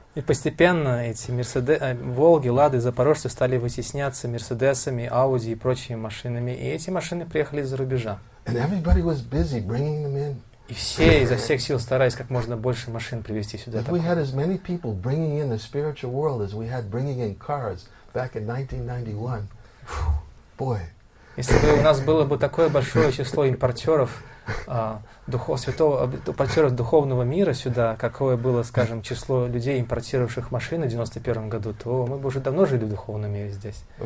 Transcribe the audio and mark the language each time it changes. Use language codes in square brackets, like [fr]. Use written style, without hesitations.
[ru] И постепенно эти Волги, Лады, Запорожцы стали вытесняться Мерседесами, Ауди и прочими машинами. И эти машины приехали из-за рубежа. [en] And everybody was busy bringing them in. [ru] И все изо всех сил старались как можно больше машин привезти сюда. [en] If we had as many people bringing in the spiritual world as we had bringing in cars back in 1991, boy. [ru] Если бы у нас было бы такое большое число импортеров, импортеров духовного мира сюда, какое было, скажем, число людей, импортировавших машины в 1991 году, то мы бы уже давно жили в духовном мире здесь.